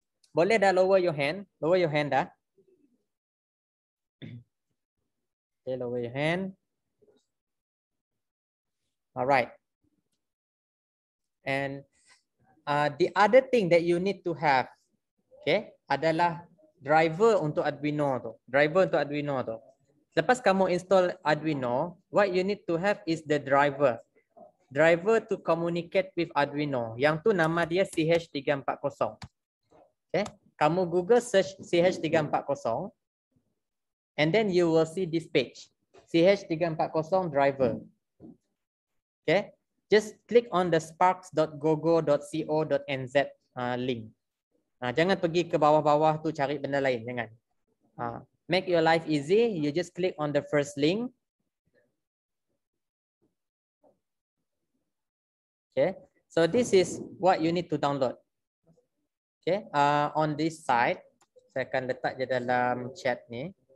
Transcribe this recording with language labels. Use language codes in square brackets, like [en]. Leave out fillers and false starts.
[ms] Boleh dah [en] lower your hand. Lower your hand dah. Okay, lower your hand. Alright. And the other thing that you need to have, okay, [ms] adalah driver untuk Arduino tu. Driver untuk Arduino tu. Lepas kamu install Arduino, [en] what you need to have is the driver. Driver to communicate with Arduino. [ms] Yang tu nama dia [en] CH340. Okay. [ms] Kamu Google search [en] CH340. And then you will see this page. CH340 driver. Okay. Just click on the sparks.gogo.co.nz link. [ms] Jangan pergi ke bawah-bawah tu cari benda lain. Jangan. [en] Make your life easy. You just click on the first link. Okay. So this is what you need to download. Okay. On this side. [ms] Saya akan letak je dalam chat ni.